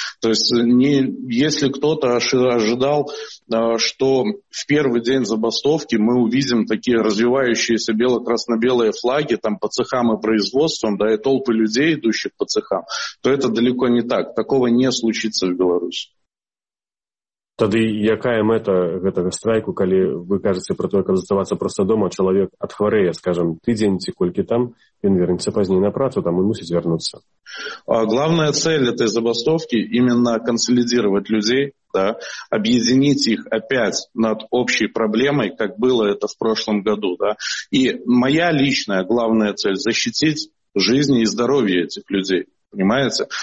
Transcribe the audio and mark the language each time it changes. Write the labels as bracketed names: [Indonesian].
[Russian] То есть не, если кто-то ожидал, что в первый день забастовки мы увидим такие развивающиеся бело-красно-белые флаги там, по цехам и производствам, да, и толпы людей, идущих по цехам, то это далеко не так. Такого не случится в Беларуси. [Belarusian] Тады якая мэта гэтага страйку, калі вы кажаце пра тое, каб заставацца проста дома, чалавек адхварэе, скажам, тыдзень ці колькі там, ён вернецца пазней на працу, там і мусіць вярнуцца. [Russian] Главная цель этой забастовкі именно консолідаваць людзей. Да, объединить их опять над общей проблемой, как было это в прошлом году. Да. И моя личная главная цель – защитить жизни и здоровье этих людей. Понимаете?